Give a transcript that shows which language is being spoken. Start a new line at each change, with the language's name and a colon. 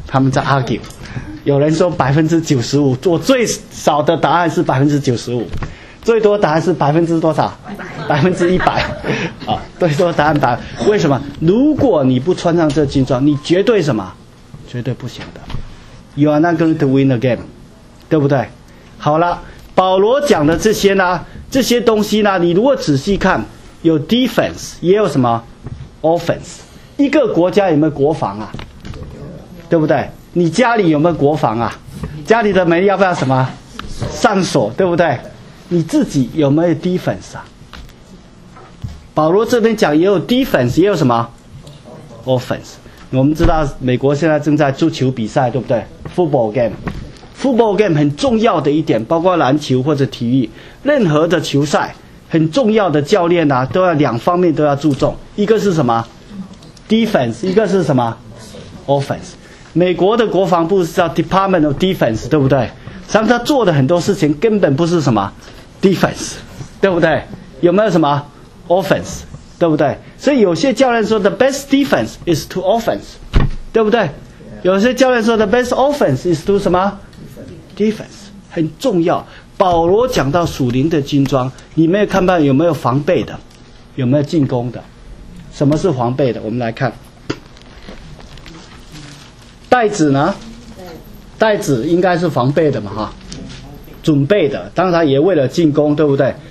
Chinese: 他们在 argue。有人说95%，我最少的答案是95%，最多答案是多少？ 100%。 啊，最多答案答案。为什么？如果你不穿上这军装，你绝对什么？绝对不行的。
English: You are not going to win the game，
Chinese: 对不对？好了，保罗讲的这些呢，这些东西呢，你如果仔细看，有 defense， 也有什么 offense。一个国家有没有国防啊？对不对？你家里有没有国防啊？家里的门要不要什么上锁，对不对？你自己有没有 defense 啊？保罗这边讲也有 defense， 也有什么 offense。我们知道美国现在正在足球比赛，对不对 ？Football game。 Football game 很重要的一点，包括篮球或者体育，任何的球赛很重要的教练啊，都要两方面都要注重，一个是什么 ？Defense， 一个是什么 ？Offense。美国的国防部是叫 Department of Defense， 对不对？实际上他做的很多事情根本不是什么 defense， 对不对？有没有什么 offense， 对不对？所以有些教练说
English: the best defense is to offense，
Chinese: 对不对？有些教练说 the best offense is to 什么 defense， 很重要。保罗讲到属灵的军装，你没有看到有没有防备的，有没有进攻的？什么是防备的？我们来看带子呢？带子应该是防备的嘛，哈，准备的，当然他也为了进攻，对不对？